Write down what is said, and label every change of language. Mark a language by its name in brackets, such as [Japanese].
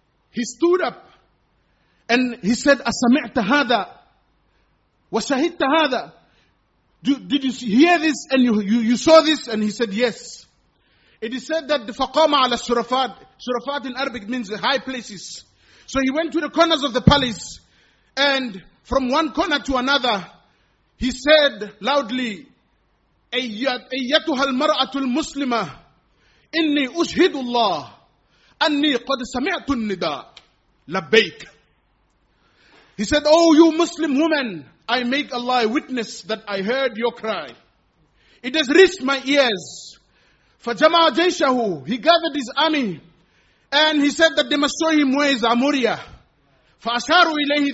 [English] He stood up and he said, [Arabic] Asami'ta hadha wa shahidta hadha. [English] Did you hear this and you saw this? And he said, yes. It is said that the [Arabic] faqama ala surafat, [English] surafat in Arabic means the high places. So he went to the corners of the palace And from one corner to another, he said loudly, [Arabic] أَيَّتُهَا الْمَرْأَةُ الْمُسْلِمَةُ إِنِّي أُشْهِدُ اللَّهُ أَنِّي قَدْ سَمِعْتُ النِّدَاءُ لَبَّيْكَ. [English] He said, oh, you Muslim woman, I make Allah a witness that I heard your cry. It has reached my ears. [Arabic] فَجَمَعَ جَيْشَهُ. [English] He gathered his army and he said that they must show him where is Amuria. [Arabic] فَأَشَارُوا إِلَيْهِ.